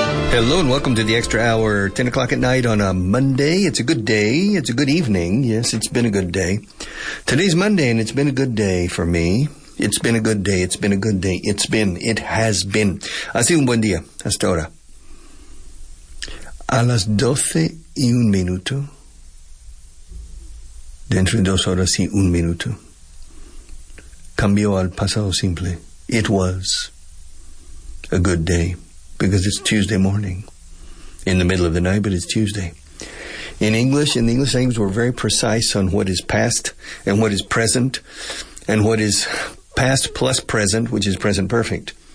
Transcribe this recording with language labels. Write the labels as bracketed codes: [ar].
[en] Hello and welcome to the Extra Hour, 10 o'clock at night on a Monday. It's a good day, it's a good evening. Yes, it's been a good day. Today's Monday and it's been a good day for me. It's been a good day, it's been a good day. It has been. [es] Ha sido un buen día, hasta ahora. A las 12:01, dentro de 2 horas y 1 minuto, cambió al pasado simple. [en] It was a good day, because it's Tuesday morning. In the middle of the night, but it's Tuesday. In the English language, we're very precise on what is past and what is present, and what is past plus present, which is present perfect.